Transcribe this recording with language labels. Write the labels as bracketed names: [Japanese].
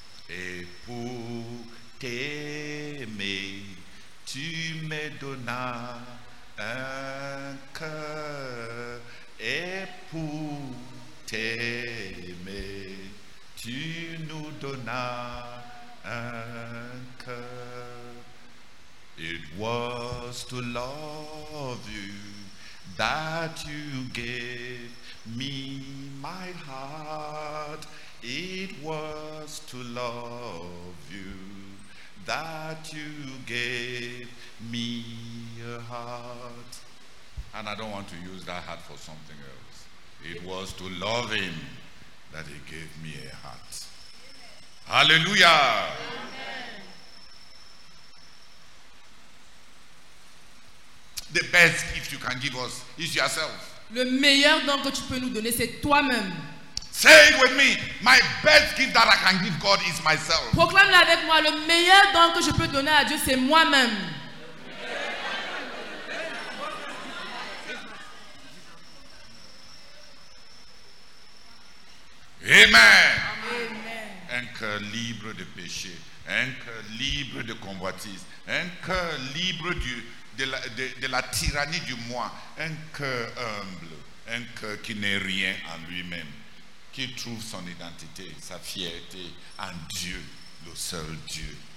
[French] Et pour t'aimer, tu me donnas un cœur, et pour t'aimer, tu nous donnas un cœur. [English] It was to love you that you gave me my heart. It was to love you that you gave me a heart. And I don't want to use that heart for something else. It was to love him that he gave me a heart. Amen. Hallelujah. Amen. The best gift you can give us is yourself. [French] Le meilleur don que tu peux nous donner, c'est toi-même. [English] Say it with me. My best gift that I can give God is myself. [French] Proclame avec moi, le meilleur don que je peux donner à Dieu, c'est moi-même. [English] Amen. Amen. [French] Un cœur libre de péché, un cœur libre de convoitise, un cœur libre de la tyrannie du moi, un cœur humble, un cœur qui n'est rien en lui-même, qui trouve son identité, sa fierté en Dieu, le seul Dieu.